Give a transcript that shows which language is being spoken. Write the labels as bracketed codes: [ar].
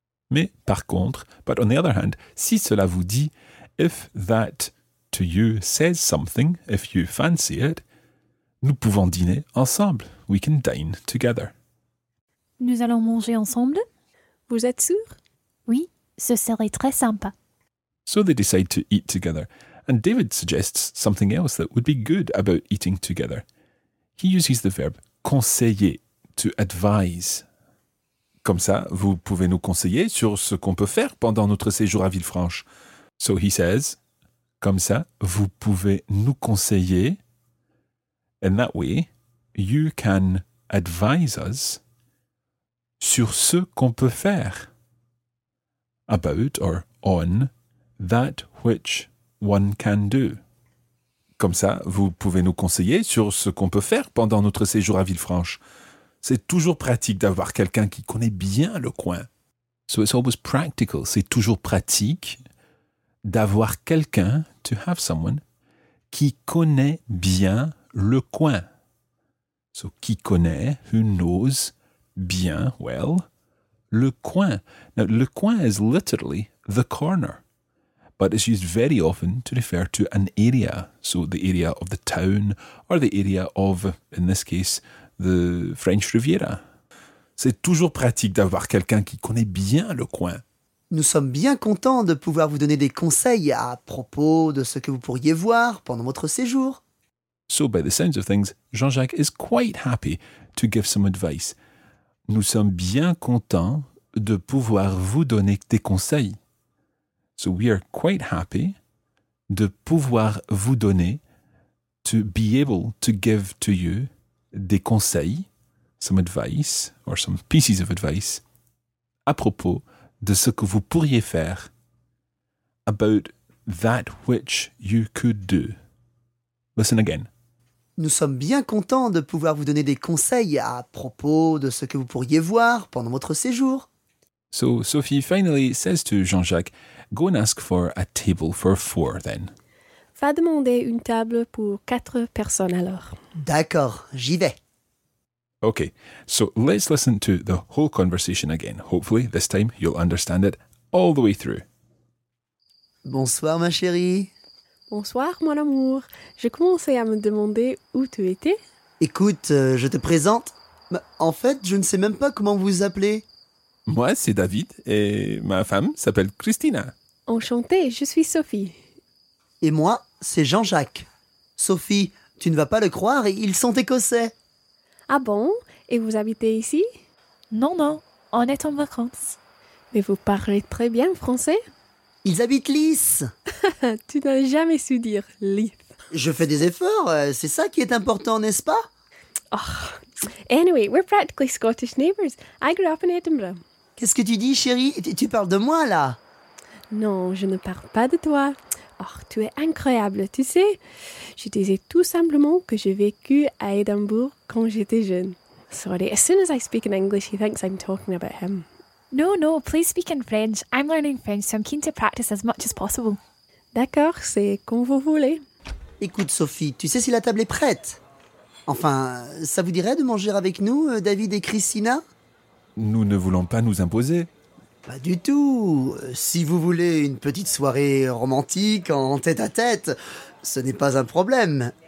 [fr] Mais par contre, [en] but on the other hand, [fr] si cela vous dit, [en] if that to you says something, if you fancy it, [fr] nous pouvons dîner ensemble. [en] We can dine together. [fr] Nous allons manger ensemble. Vous êtes sûr? Oui, ce serait très sympa. [en] So they decide to eat together. And David suggests something else that would be good about eating together. He uses the verb conseiller, to advise. [fr] Comme ça, vous pouvez nous conseiller sur ce qu'on peut faire pendant notre séjour à Villefranche. [en] So he says, [fr] comme ça, vous pouvez nous conseiller. [en] In that way, you can advise us [fr] sur ce qu'on peut faire. [en] About or on that which one can do. [fr] Comme ça, vous pouvez nous conseiller sur ce qu'on peut faire pendant notre séjour à Villefranche. C'est toujours pratique d'avoir quelqu'un qui connaît bien le coin. [en] So it's always practical. [fr] C'est toujours pratique d'avoir quelqu'un, [en] to have someone, [fr] qui connaît bien le coin. So qui connaît, [en] who knows, [fr] bien, [en] well, [fr] le coin. [en] Now, le coin is literally the corner. But it's used very often to refer to an area. So the area of the town or the area of, in this case, the French Riviera. [fr] C'est toujours pratique d'avoir quelqu'un qui connaît bien le coin. Nous sommes bien contents de pouvoir vous donner des conseils à propos de ce que vous pourriez voir pendant votre séjour. [en] So by the sounds of things, Jean-Jacques is quite happy to give some advice. [fr] Nous sommes bien contents de pouvoir vous donner des conseils. [en] So we are quite happy [fr] de pouvoir vous donner, [en] to be able to give to you [fr] des conseils, [en] some advice or some pieces of advice, [fr] à propos de ce que vous pourriez faire, [en] about that which you could do. Listen again. [fr] Nous sommes bien contents de pouvoir vous donner des conseils à propos de ce que vous pourriez voir pendant votre séjour. [en] So Sophie finally says to Jean-Jacques, go and ask for a table for four then. [fr] Va demander une table pour quatre personnes alors. D'accord, j'y vais. [en] Okay, so let's listen to the whole conversation again. Hopefully this time you'll understand it all the way through. [fr] Bonsoir ma chérie. Bonsoir, mon amour. Je commençais à me demander où tu étais. Écoute, je te présente. En fait, je ne sais même pas comment vous appelez. Moi, c'est David et ma femme s'appelle Christina. Enchantée, je suis Sophie. Et moi, c'est Jean-Jacques. Sophie, tu ne vas pas le croire, ils sont écossais. Ah bon? Et vous habitez ici? Non, non, on est en vacances. Mais vous parlez très bien français. Ils habitent Lys. Tu n'as jamais su dire Lys. Je fais des efforts, c'est ça qui est important, n'est-ce pas? Oh. [en] Anyway, we're practically Scottish neighbours. I grew up in Edinburgh. [fr] Qu'est-ce que tu dis, chérie? Tu parles de moi, là? Non, je ne parle pas de toi. Oh, tu es incroyable, tu sais. Je disais tout simplement que j'ai vécu à Edinburgh quand j'étais jeune. [en] Sorry, as soon as I speak in English, he thinks I'm talking about him. No, no, please speak in French. I'm learning French, so I'm keen to practice as much as possible. [fr] D'accord, c'est comme vous voulez. Écoute, Sophie, tu sais si la table est prête? Enfin, ça vous dirait de manger avec nous, David et Christina? Nous ne voulons pas nous imposer. Pas du tout. Si vous voulez une petite soirée romantique en tête-à-tête, ce n'est pas un problème.